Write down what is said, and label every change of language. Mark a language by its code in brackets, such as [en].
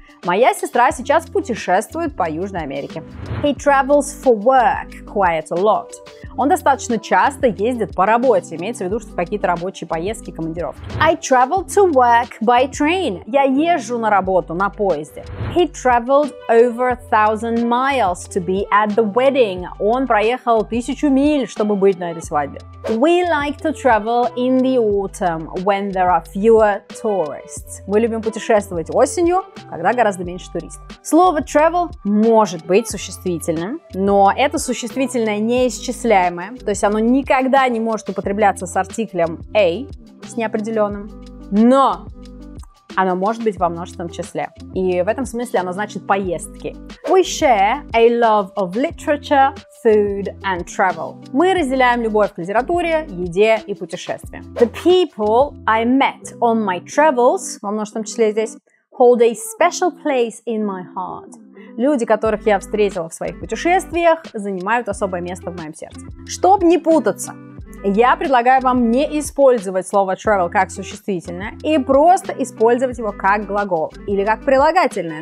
[ru] Моя сестра сейчас путешествует по Южной Америке. [en] He travels for work quite a lot. [ru] Он достаточно часто ездит по работе. Имеется в виду, что какие-то рабочие поездки, командировки. [en] I travel to work by train. [ru] Я езжу на работу на поезде. [en] He traveled over 1,000 miles to be at the wedding. [ru] Он проехал 1,000 миль, чтобы быть на этой свадьбе. [en] We like to travel in the autumn when there are fewer tourists. [ru] Мы любим путешествовать осенью, когда гораздо меньше туристов. Слово travel может быть существительным, но это существительное неисчисляемое. То есть оно никогда не может употребляться с артиклем a, с неопределенным, но оно может быть во множественном числе. И в этом смысле оно значит поездки. [en] We share a love of literature, food and travel. [ru] Мы разделяем любовь к литературе, еде и путешествиям. [en] The people I met on my travels, [ru] во множественном числе здесь, [en] hold a special place in my heart. [ru] Люди, которых я встретила в своих путешествиях, занимают особое место в моем сердце. Чтобы не путаться, я предлагаю вам не использовать слово travel как существительное и просто использовать его как глагол или как прилагательное.